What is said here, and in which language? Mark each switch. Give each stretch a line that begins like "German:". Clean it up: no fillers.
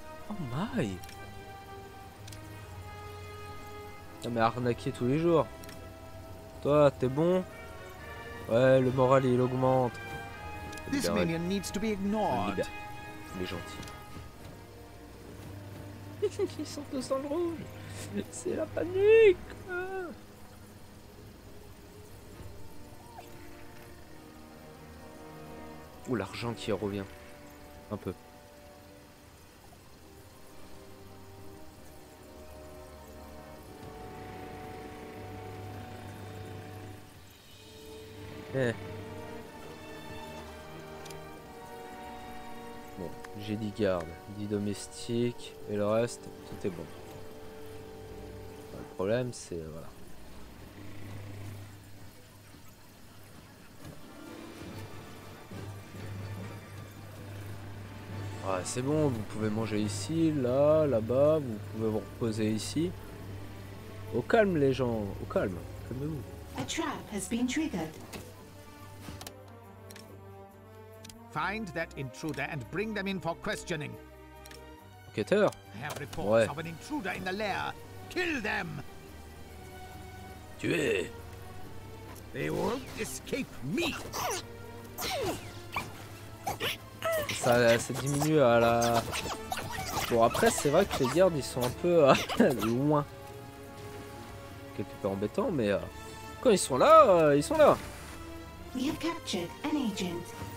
English: Oh my!
French: Ah mais arnaquer tous les jours. Toi, t'es bon? Ouais, le moral il augmente.
English: This minion needs to be ignored.
French: Il est gentil. Ils sont tous dans le rouge. C'est la panique. Ouh, l'argent qui revient. Un peu. Bon, j'ai 10 gardes, 10 domestiques et le reste, tout est bon. Enfin, le problème, c'est voilà. Ah, c'est bon, vous pouvez manger ici, là, là-bas, vous pouvez vous reposer ici. Au calme, les gens, au calme, calmez-vous.
English: A trap has been triggered. Find that intruder and bring them in for questioning.
French: Enquêteur.
English: I have reports of an intruder in the lair. Kill them.
French: Tuez.
English: They won't escape me.
French: Ça diminue à la. Bon après c'est vrai que les gardes ils sont un peu loin. quelque part embêtant, mais quand ils sont là, ils sont là.
English: We have captured an agent.